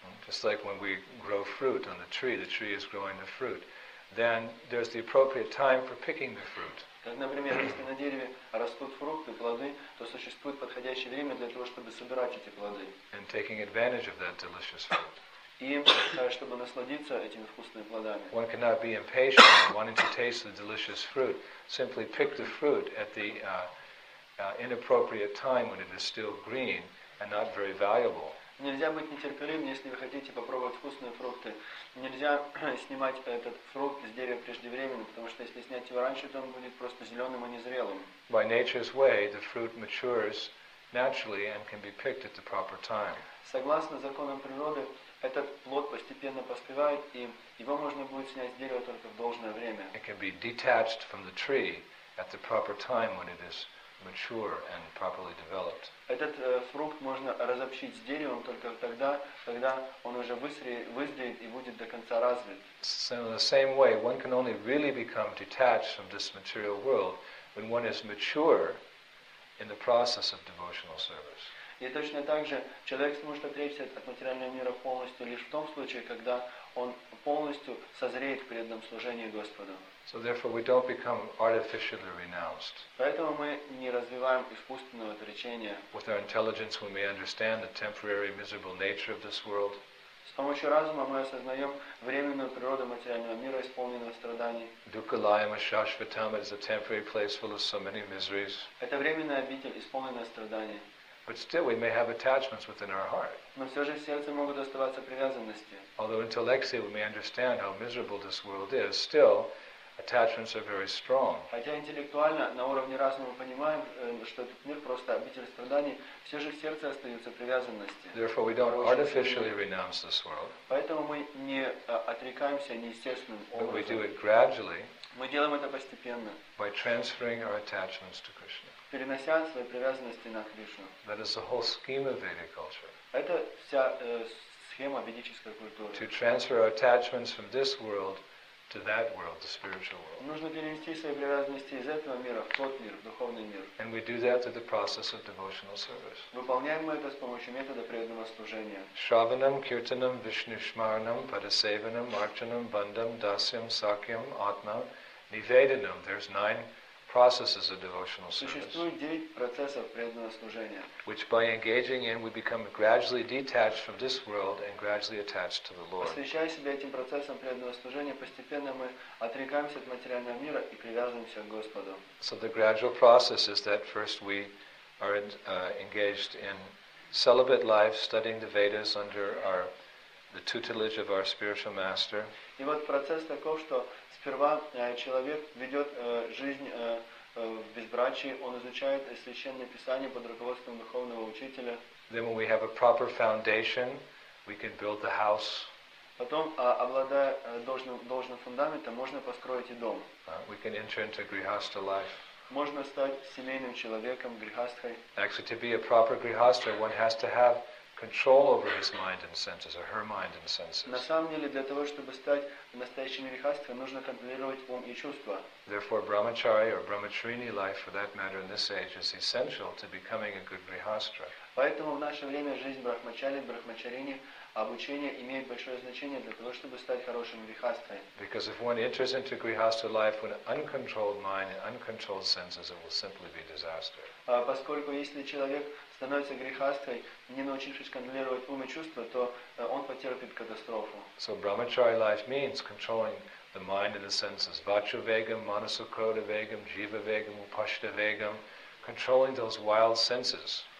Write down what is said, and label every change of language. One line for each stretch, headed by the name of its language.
English: Just like when we grow fruit on the tree is growing the fruit. then there's the appropriate time for picking the fruit.
Russian: Так, например, если на дереве растут фрукты, плоды, то существует подходящее время для того, чтобы собирать эти плоды.
English: And taking advantage of that delicious fruit.
Russian: И чтобы насладиться этими вкусными плодами.
English: One cannot be impatient and wanting to taste the delicious fruit. Simply pick the fruit at the inappropriate time when it is still green and not very valuable.
Russian: Нельзя быть нетерпеливым, если вы хотите попробовать вкусные фрукты. Нельзя снимать этот фрукт с дерева преждевременно, потому что если снять его раньше, то он будет просто зеленым и незрелым.
English: By nature's way, the fruit matures naturally and can be picked at the proper time.
Russian: Согласно законам природы, этот плод постепенно поспевает, и его можно будет снять с дерева только в должное время.
English: It can be detached from the tree at the proper time when it is mature and properly developed.
Russian: Этот фрукт можно разобщить с деревом только тогда, когда он уже вызреет и будет до конца развит.
English: So in the same way, one can only really become detached from this material world when one is mature in the process of devotional service.
Russian: И точно так же человек сможет отречься от материального мира полностью лишь в том случае, когда он полностью созреет в преданном служении Господу.
English: So therefore we don't become artificially renounced.
Russian: Поэтому мы не развиваем искусственное отречение.
English: With our intelligence we may understand the temporary miserable nature of this world.
Russian: С помощью разума мы осознаем временную природу материального мира, исполненного страданий.
Sanskrit: Dukkhalayam ashashvatam
English: is a temporary place full of so many miseries.
Russian: Это временная обитель, исполненная страданий.
English: But still we may have attachments within our heart.
Russian: Но все же в сердце могут оставаться привязанности.
English: Although intellectually we may understand how miserable this world is, still attachments are very strong.
Russian: Хотя интеллектуально на уровне разума мы понимаем, что этот мир просто обитель страданий, все же в сердце остаются привязанности.
English: Therefore we don't artificially renounce this world.
Russian: Поэтому мы не отрекаемся неестественным образом.
English: But we do it gradually.
Russian: Мы делаем это постепенно.
English: By transferring our attachments to Krishna.
Russian: Перенося свои привязанности на Кришну.
English: That is the whole scheme of Vedic culture.
Russian: Это вся схема ведической культуры.
English: To transfer our attachments from this world to that world, the spiritual world.
Russian: Нужно перенести свои привязанности из этого мира в тот мир, в духовный мир.
English: And we do that through the process of devotional service.
Russian: Выполняем мы это с помощью метода преданного служения.
Sanskrit: Shravanam, kirtanam, vishnushmaranam, padasevanam, archanam, bandham, dasyam, sakyam, atma, nivedanam.
English: There's nine processes of devotional service.
Russian: Существует 9 процессов преданного служения.
English: Which by engaging in, we become gradually detached from this world and gradually attached to the Lord.
Russian: Посвящая себя этим процессам преданного служения, постепенно мы отрекаемся от материального мира и привязываемся к Господу.
English: So the gradual process is that first we are engaged in celibate life, studying the Vedas under the tutelage of our spiritual master.
Russian: И вот процесс таков, что сперва человек ведет жизнь в безбрачии, он изучает священное писание под руководством духовного учителя.
English: Then when we have a proper foundation, we can build the house.
Russian: Потом, обладая должным фундаментом, можно построить и дом.
English: We can enter into grihastha life.
Russian: Можно стать семейным человеком, грихастхой.
English: Actually, to be a proper grihastha, one has to have control over his mind and senses, or her mind and senses.
Russian: На самом деле, для того, чтобы стать настоящим грихастхой, нужно контролировать ум и чувства.
English: Therefore, brahmachari or brahmacharini life, for that matter, in this age, is essential to becoming a good grihastha.
Russian: Поэтому в наше время жизнь брахмачари, брахмачарини, обучение имеет большое значение для того, чтобы стать хорошим грихастхой.
English: Because if one enters into grihastha life with an uncontrolled mind and uncontrolled senses, it will simply be disaster.
Russian: Поскольку если человек становится грихастхой, не научившись контролировать ум и чувства, то он потерпит катастрофу.
English: So brahmachari life means controlling the mind and the senses.
Sanskrit: Vachavegam, manasukrodavegam, jivavegam, upashtavegam.
English: Controlling those wild senses.